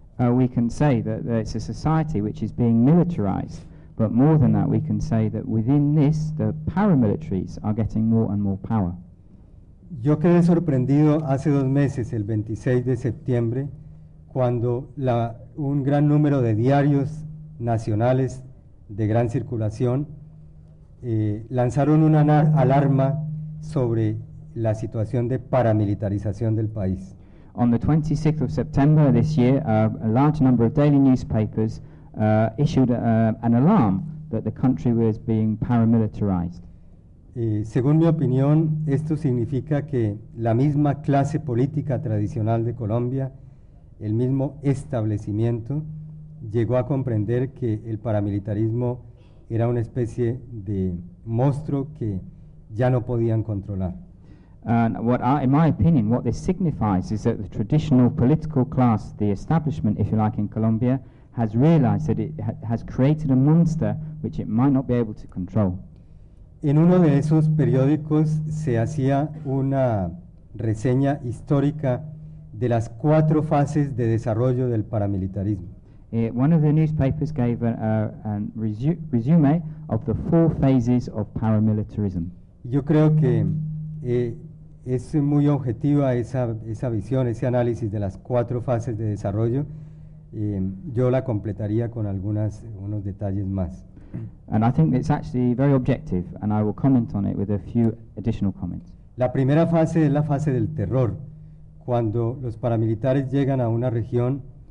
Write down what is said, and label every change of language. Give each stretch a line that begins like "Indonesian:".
English: We can say that it's a society which is being militarized, but more than that, we can say that within this, the paramilitaries are getting more and more power.
Spanish: Yo quedé sorprendido hace 2 meses, el 26 de septiembre, cuando un gran número de diarios nacionales de gran circulación lanzaron una alarma sobre la situación de paramilitarización del país.
English: On the 26th of September this year, a large number of daily newspapers issued an alarm that the country was being paramilitarized.
Spanish: Según mi opinión, esto significa que la misma clase política tradicional de Colombia, el mismo establecimiento, llegó a comprender que el paramilitarismo era una especie de monstruo que ya no podían controlar.
English: And in my opinion, what this signifies is that the traditional political class, the establishment, if you like, in Colombia, has realized that it has created a monster which it might not be able to control.
Spanish: En uno de esos periódicos se hacía una reseña histórica de las 4 fases de desarrollo del paramilitarismo.
English: One of the newspapers gave a resume of the 4 phases of paramilitarism.
Spanish: Yo creo que es muy objetiva esa visión, ese análisis de las 4 fases de desarrollo. Yo la completaría con unos detalles más.
English: And I think it's actually very objective, and I will comment on it with a few additional comments.
Spanish: La primera fase es la fase del terror, cuando los paramilitares llegan a una región.